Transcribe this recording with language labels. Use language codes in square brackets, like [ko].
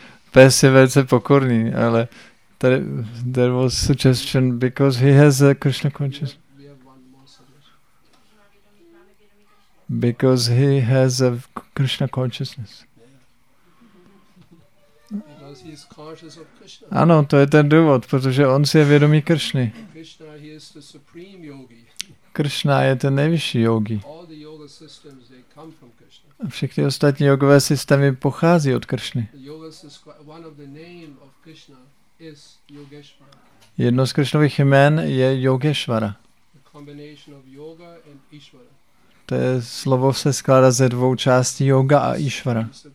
[cs] Pes je velice pokorný, ale [en] there was suggestion because he has a Krishna consciousness. Because he has a Krishna consciousness. Because he is conscious of Krishna. [cs] Ano, to je ten důvod, protože on si je vědomý Krishny. [en] Krishna, he is the supreme yogi. [cs] Krishna je ten nejvyšší yogi. [en] All the yoga systems, they come from Krishna. [cs] A všechny ostatní jogové systémy pochází od Krishny. [en] One of the name of Krishna is Yogeshwara. [cs] Jedno z Krishnových jmén je Yogeshwara. [en] The combination of yoga and Ishvara. [cs] To je, slovo se skládá ze dvou částí, yoga a Ishvara.